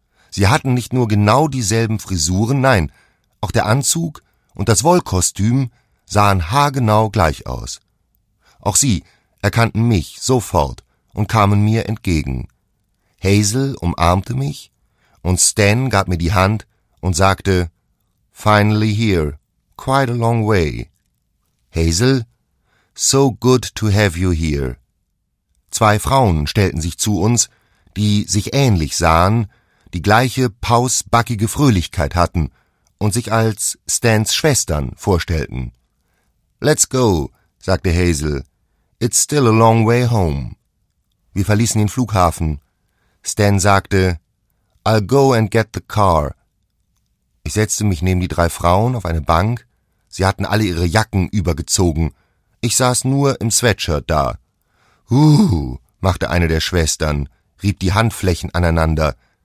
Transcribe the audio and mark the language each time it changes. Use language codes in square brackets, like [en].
[de] Sie hatten nicht nur genau dieselben Frisuren, nein, auch der Anzug und das Wollkostüm sahen haargenau gleich aus. Auch sie erkannten mich sofort und kamen mir entgegen. Hazel umarmte mich und Stan gab mir die Hand und sagte, [en] "Finally here, quite a long way." Hazel, "So good to have you here." [de] Zwei Frauen stellten sich zu uns, die sich ähnlich sahen, die gleiche pausbackige Fröhlichkeit hatten und sich als Stans Schwestern vorstellten. [en] "Let's go," [de] sagte [en] Hazel. "It's still a long way home." [de] Wir verließen den Flughafen. Stan sagte, [en] "I'll go and get the car." [de] Ich setzte mich neben die drei Frauen auf eine Bank. Sie hatten alle ihre Jacken übergezogen. Ich saß nur im Sweatshirt da. Machte eine der Schwestern, rieb die Handflächen aneinander.